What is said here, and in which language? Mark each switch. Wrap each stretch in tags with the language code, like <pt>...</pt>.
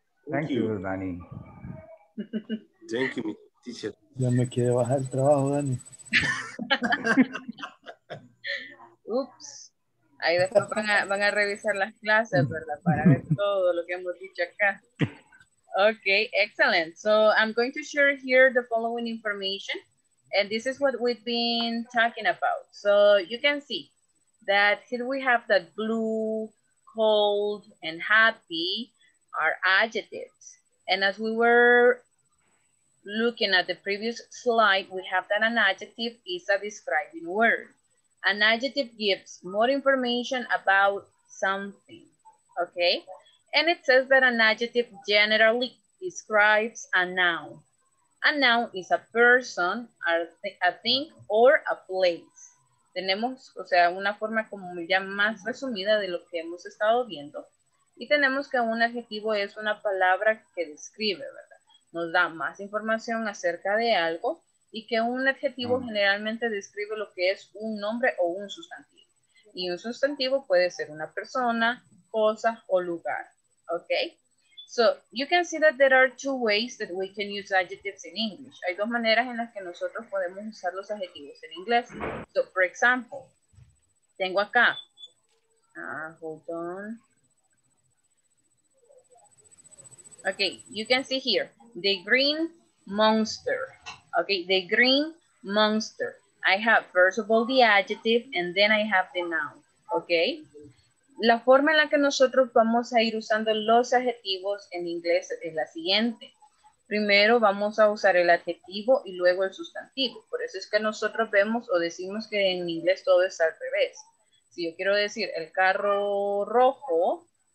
<en>Thank you, Dani. Thank you, teacher.</en> <es>Ya me quiere bajar el trabajo, Dani.</es> <en>Oops.</en> <es>Ahí después van a revisar las clases, ¿verdad? Para ver todo lo que hemos dicho acá.</es> <en>Okay, excellent. So I'm going to share here the following information. And this is what we've been talking about. So you can see that here we have that blue, cold, and happy are adjectives. And as we were looking at the previous slide, we have that an adjective is a describing word. An adjective gives more information about something, okay? And it says that an adjective generally describes a noun. A noun is a person, a thing, or a place.</en> <es>Tenemos, o sea, una forma como ya más resumida de lo que hemos estado viendo. Y tenemos que un adjetivo es una palabra que describe, ¿verdad? Nos da más información acerca de algo y que un adjetivo generalmente describe lo que es un nombre o un sustantivo. Y un sustantivo puede ser una persona, cosa o lugar, ¿ok?</es> <en>So, you can see that there are two ways that we can use adjectives in English.</en> <es>Hay dos maneras en las que nosotros podemos usar los adjetivos en inglés.</es> <en>So, for example,</en> <es>tengo acá.</es> <en>Hold on. Okay, you can see here, the green monster. Okay, the green monster. I have, first of all, the adjective, and then I have the noun. Okay?</en> <es>La forma en la que nosotros vamos a ir usando los adjetivos en inglés es la siguiente. primero vamos a usar el adjetivo y luego el sustantivo. Por eso es que nosotros vemos o decimos que en inglés todo es al revés. Si yo quiero decir el carro rojo.</es>